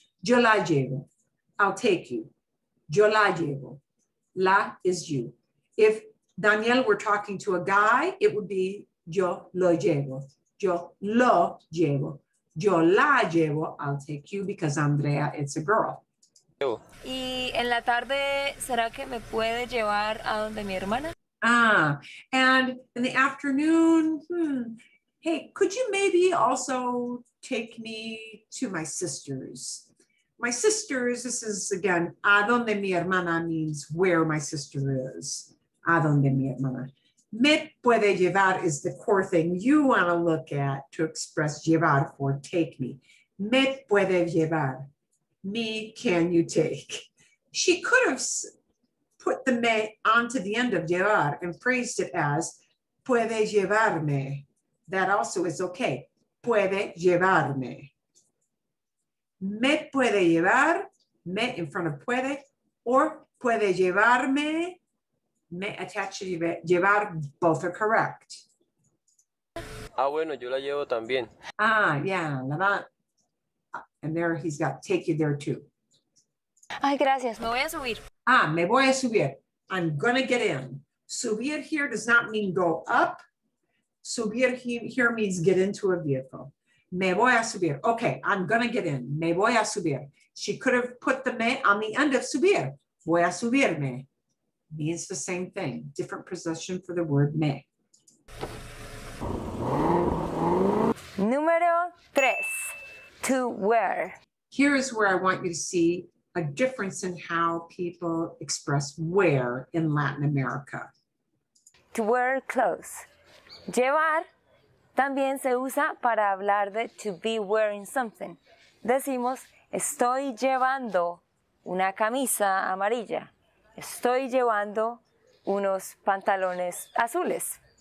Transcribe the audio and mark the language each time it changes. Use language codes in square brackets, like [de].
[es] Yo la llevo. [en] I'll take you. [es] Yo la llevo. La [en] is you. If Daniel were talking to a guy, it would be [es] yo lo llevo. Yo lo llevo. Yo la llevo. [en] I'll take you because Andrea, it's a girl. [es] Y en la tarde, ¿será que me puede llevar a donde mi hermana? [en] Ah, and in the afternoon, hey, could you maybe also take me to my sister's? My sister's, this is again, [es] a donde mi hermana [en] means where my sister is. [es] A donde mi hermana. Me puede llevar [en] is the core thing you want to look at to express llevar for take me. [es] Me puede llevar. Me, [en] can you take? She could have put the me onto the end of llevar and phrased it as puede llevarme. That also is okay. [es] Puede llevarme. Me puede llevar, [en] me in front of puede, or [es] puede llevarme, [en] me attached to llevar, both are correct. [es] Ah, bueno, yo la llevo también. Ah, yeah, la va. [en] And there he's got take you there too. [es] Ay, gracias, me voy a subir. Ah, me voy a subir. [en] I'm gonna get in. Subir here does not mean go up. Subir here means get into a vehicle. [es] Me voy a subir. [en] Okay, I'm going to get in. [es] Me voy a subir. [en] She could have put the me on the end of subir. [es] Voy a subirme. [en] Means the same thing. Different position for the word me. [es] Número tres. [en] To where. Here is where I want you to see a difference in how people express where in Latin America. To wear clothes. Llevar. [es] También se usa para hablar de [en] to be wearing something. [es] Decimos, estoy llevando una camisa amarilla. Estoy llevando unos pantalones azules.